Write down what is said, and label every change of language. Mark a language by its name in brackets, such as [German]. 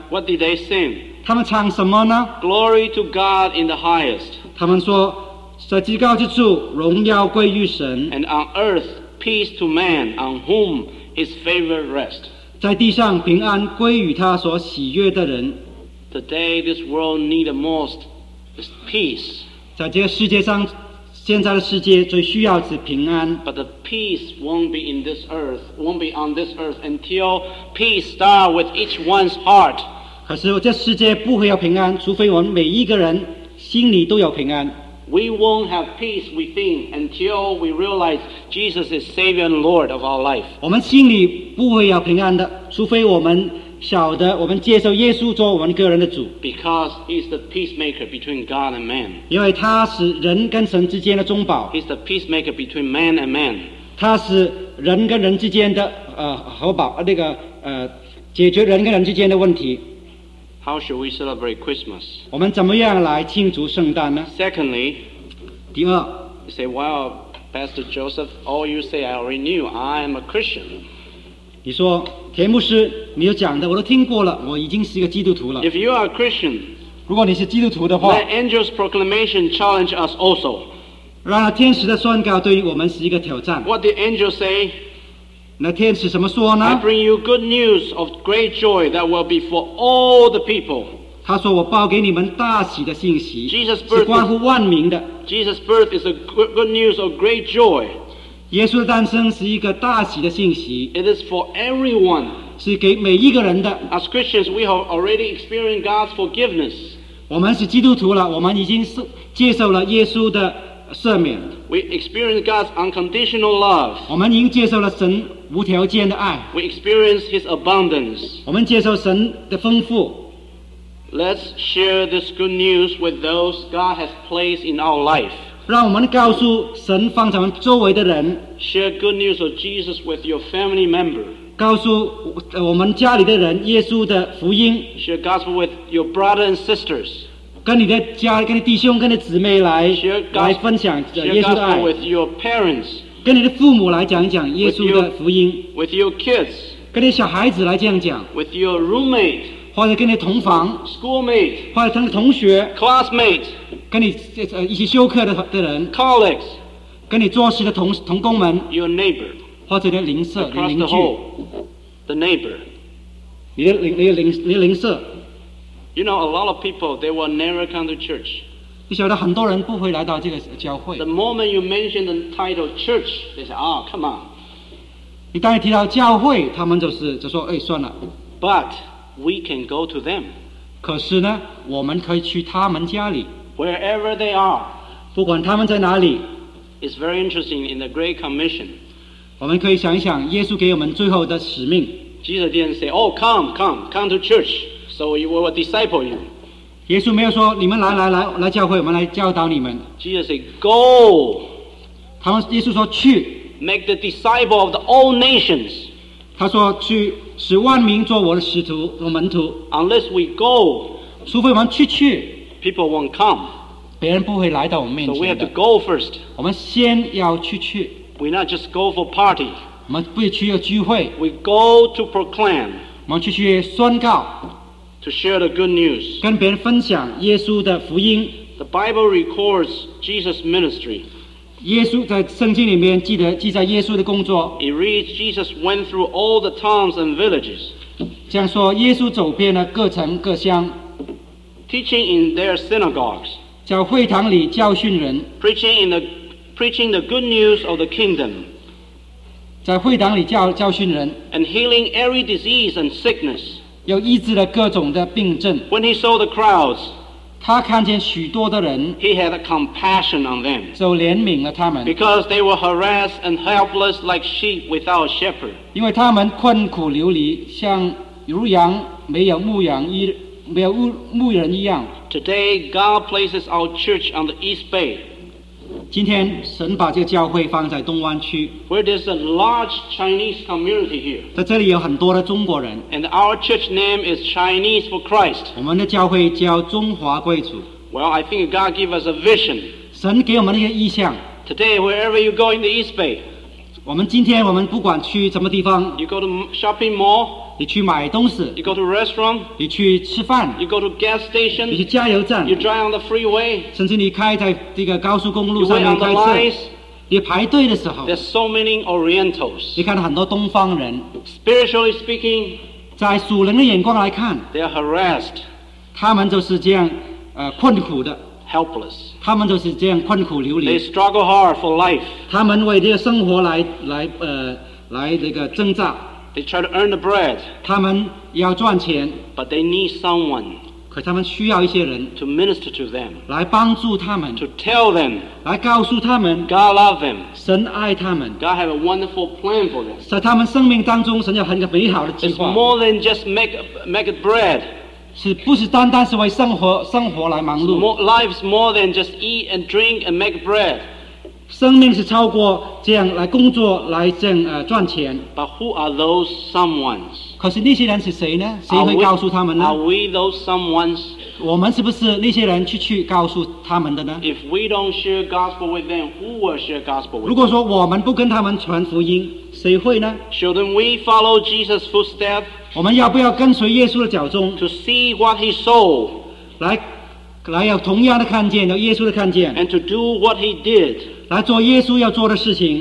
[English] What did they sing? [Chinese] 他们唱什么呢? [English] Glory to God in the highest. [Chinese] 他们说在至高之处荣耀归于神。 [English] And on earth, peace to man, on whom his favor rests. [Chinese] 在地上平安归于他所喜悦的人。 [English] Today, this world needs the most is peace. [Chinese] 在这个世界上, 现在的世界最需要是平安。 [English] But the peace won't be in this earth, won't be on this earth until peace starts with each one's heart. [Chinese] 可是这世界不会有平安, 除非我们每一个人心里都有平安。 [English] We won't have peace within until we realize Jesus is Savior and Lord of our life. [Chinese] 我们心里不会有平安的, 除非我们晓得我们接受耶稣做我们个人的主。 [English] Because he is the peacemaker between God and man. [Chinese] 因为他是人跟神之间的中保。 [English] He is the peacemaker between man and man. [Chinese] 他是人跟人之间的, 和保, 那个, 解决人跟人之间的问题。 [English] How should we celebrate Christmas? [Chinese] 我们怎么样来庆祝圣诞呢? [English] Secondly, [Chinese] 第二, [English] you say, well, Pastor Joseph, all you say I already knew, I am a Christian. [Chinese] 你说, 田牧师,你有讲的,我都听过了,我已经是一个基督徒了。 [English] If you are a Christian, [Chinese] 如果你是基督徒的话, [English] let angel's proclamation challenge us also. [Chinese] 让天使的宣告对于我们是一个挑战。 [English] What did angel say? [Chinese] 那天使怎么说呢? [English] I bring you good news of great joy that will be for all the people. [Chinese] 他说我报给你们大喜的信息, [English] Jesus' birth, [Chinese] 是关乎万民的。 [English] Jesus' birth is a good news of great joy. [Chinese] 耶稣的诞生是一个大喜的信息, [English] it is for everyone. [Chinese] 是给每一个人的。 [English] As Christians, we have already experienced God's forgiveness. [Chinese] 我们是基督徒了, 我们已经接受了耶稣的。 [English] We experience God's unconditional love. [Chinese] 我们已经接受了神无条件的爱。 [English] We experience His abundance. [Chinese] 我们接受神的丰富。 [English] Let's share this good news with those God has placed in our life. [Chinese] 让我们告诉神放在我们周围的人。 [English] Share good news of Jesus with your family member. [Chinese] 告诉我们家里的人耶稣的福音。 [English] Share gospel with your brother and sisters. [Chinese] 跟你的家,跟你弟兄,跟你姊妹来, [English] share gospel, [Chinese] 来分享耶稣的爱, [English] share gospel with your parents, [Chinese] 跟你的父母来讲讲耶稣的福音, [English] with your kids, [Chinese] 跟你小孩子来这样讲, [English] with your roommate, [Chinese] 或者跟你同房, [English] schoolmate, [Chinese] 或者跟你同学, [English] classmate, [Chinese] 跟你一起休课的人, [English] colleagues, [Chinese] 跟你做事的同工们, [English] your neighbor, [Chinese] 或者你的邻舍, [English] across [Chinese] 邻居, [English] the hall, the neighbor, [Chinese] 你的邻舍, [English] You know, a lot of people, they will never come to church. [Chinese] 你晓得很多人不会来到这个教会。 [English] The moment you mention the title church, they say, oh, come on. [Chinese] 你当你提到教会, 他们就说, 哎, 算了。 [English] But we can go to them. [Chinese] 可是呢, 我们可以去他们家里。 [English] Wherever they are. [Chinese] 不管他们在哪里。 [English] It's very interesting in the Great Commission. [Chinese] 我们可以想一想, 耶稣给我们最后的使命。 [English] Jesus didn't say, oh, come, come, come to church. So we will disciple you. [Chinese] 耶稣没有说, 你们来, 来教会, 我们来教导你们。 [English] Jesus said, go. [Chinese] 他们耶稣说, 去。 [English] Make the disciple of the all nations. [Chinese] 他说, 去, 使万民做我的使徒, 我门徒。 [English] Unless we go, [Chinese] 除非我们去, [English] people won't come. [Chinese] 别人不会来到我们面前的。 [English] So we have to go first. [Chinese] 我们先要去。 [English] We not just go for party. [Chinese] 我们不去要聚会。 [English] We go to proclaim. [Chinese] 我们去宣告。 [English] To share the good news. [Chinese] 跟别人分享耶稣的福音。 [English] The Bible records Jesus' ministry. [Chinese] 耶稣在圣经里面记得记载耶稣的工作。 [English] It reads Jesus went through all the towns and villages. [Chinese] 这样说，耶稣走遍了各城各乡。 [English] Teaching in their synagogues. [Chinese] 在会堂里教训人。 [English] Preaching the good news of the kingdom. [Chinese] 在会堂里教训人。 [English] And healing every disease and sickness. [Chinese] 又医治了各种的病症。 [English] When he saw the crowds. [Chinese] 他看见许多的人。 [English] He had a compassion on them. [Chinese] 就怜悯了他们。 [English] Because they were harassed and helpless like sheep without a shepherd. [Chinese] 因为他们困苦流离，像如羊没有牧羊一。 [English] Today, God places our church on the East Bay. [Chinese] 今天神把这个教会放在东湾区。 [English] Where there's a large Chinese community here. [Chinese] 在这里有很多的中国人。 [English] And our church name is Chinese for Christ. [Chinese] 我们的教会叫中华贵族。 [English] Well, I think God gave us a vision. [Chinese] 神给我们一个意象。 [English] Today, wherever you go in the East Bay. [Chinese] 我们今天我们不管去什么地方。 [English] You go to shopping mall. [Chinese] 你去买东西 [English] you go to restaurant, [Chinese] 你去吃饭 [English] you go to gas station, [Chinese] 你去加油站 [English] you drive on the freeway, [Chinese] 甚至你开在这个高速公路上面开车 [English] lines, [Chinese] 你排队的时候 [English] there's so many orientals, [Chinese] 你看到很多东方人 [English] spiritually speaking, [Chinese] 在属灵的眼光来看 [English] they're harassed, [Chinese] 他们就是这样、困苦的 [English] helpless, [Chinese] 他们就是这样困苦流离 [English] they struggle hard for life, [Chinese] 他们为这个生活 来这个挣扎 [English] They try to earn the bread. [Chinese] 他们要赚钱 [English] But they need someone. [Chinese] 可他们需要一些人 [English] To minister to them. [Chinese] 来帮助他们 [English] To tell them. [Chinese] 来告诉他们 [English] God love them. [Chinese] 神爱他们 [English] God have a wonderful plan for them. [Chinese] 在他们生命当中神有很美好的计划 [English] It's more than just make bread. [Chinese] 是不是单单是为生活来忙碌 [English] Life's more than just eat and drink and make bread. [Chinese] 生命是超过这样来工作来挣赚钱 [English] But who are those someones? [Chinese] 可是那些人是谁呢谁会告诉他们呢 [English] Are we those someones? [Chinese] 我们是不是那些人去告诉他们的呢 [English] If we don't share gospel with them, who will share gospel with them? [Chinese] 如果说我们不跟他们传福音谁会呢 [English] Shouldn't we follow Jesus' footsteps? [Chinese] 我们要不要跟随耶稣的脚踪 [English] To see what he saw [Chinese] 来要同样的看见要耶稣的看见 [English] And to do what he did [Chinese] 来做耶稣要做的事情